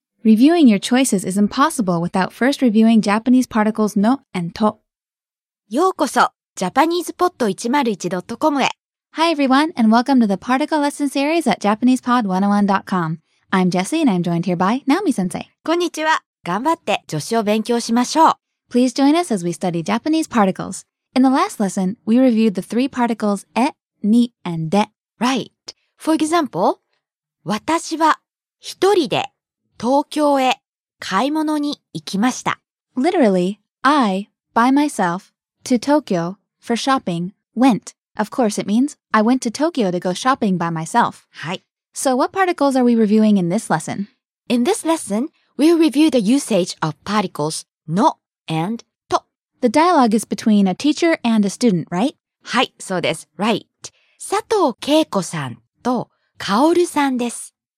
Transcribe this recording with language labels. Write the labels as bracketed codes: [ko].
[en] Reviewing your choices is impossible without first reviewing Japanese particles no and to. [ja] ようこそ、JapanesePod101.com へ。 [en] Hi everyone, and welcome to the Particle Lesson series at JapanesePod101.com. I'm Jessie, and I'm joined here by Naomi-sensei. [ja] こんにちは。頑張って助詞を勉強しましょう。 [en] Please join us as we study Japanese particles. In the last lesson, we reviewed the three particles え、に、and で。 Right. For example, [ja] 私は一人で東京へ買い物に行きました。 [en] Literally, I, by myself, to Tokyo, for shopping, went. Of course, it means, I went to Tokyo to go shopping by myself. [ja] はい。 [en] So what particles are we reviewing in this lesson? In this lesson, we'll review the usage of particles の and と。 The dialogue is between a teacher and a student, right? [ja] はい、そうです。 [en] Right. [ja] 佐藤恵子さんとカオルさんです。